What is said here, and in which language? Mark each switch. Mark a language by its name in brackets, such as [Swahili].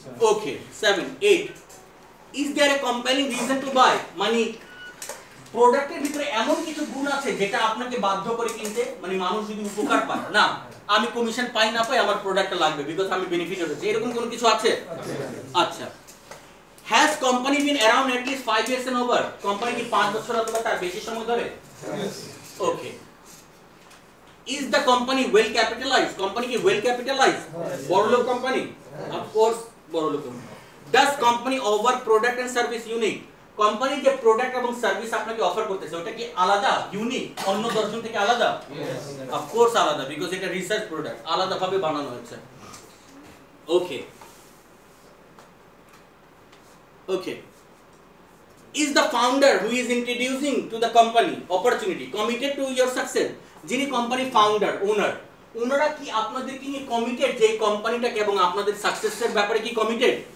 [Bangla] Okay, 7, 8, [English] is there a compelling reason to buy, [Bangla] মানে প্রোডাক্টের ভিতরে এমন কিছু গুণ আছে যেটা আপনাকে বাধ্য করে কিনতে, মানে মানুষ যদি উপকার পায় না, আমি কমিশন পাই না পাই আমার প্রোডাক্টটা লাগবে বিকজ আমি বেনিফিট হচ্ছে, এরকম কোনো কিছু আছে? [English] আচ্ছা, has company been around at least 5 years and over. [Bangla] Company কি 5 বছর অথবা তার বেশি সময় ধরে? ওকে, [English] Is the company well capitalize. [Bangla] Company কি ওয়েল ক্যাপিটালাইজ? বড়লোক কোম্পানি? অফকোর্স বড়লোক company. [English] Does company offer product and service unique? [Bangla] Company যে product এবং service আপনাকে offer করতেছে ওটা কি আলাদা, unique, অন্য দর্জন থেকে আলাদা? [English] Yes. [Bangla] Of course আলাদা, because এটা research product, আলাদা ভাবে বানানো হয়েছে। [English] Okay. Okay. Is the founder who is introducing to the company opportunity committed to your success? [Bangla] যিনি company founder, owner, ওনারা কি আপনাদেরকে নিয়ে কমিটেড যে কোম্পানিটাকে এবং আপনাদের সাকসেসের ব্যাপারে কি কমিটেড?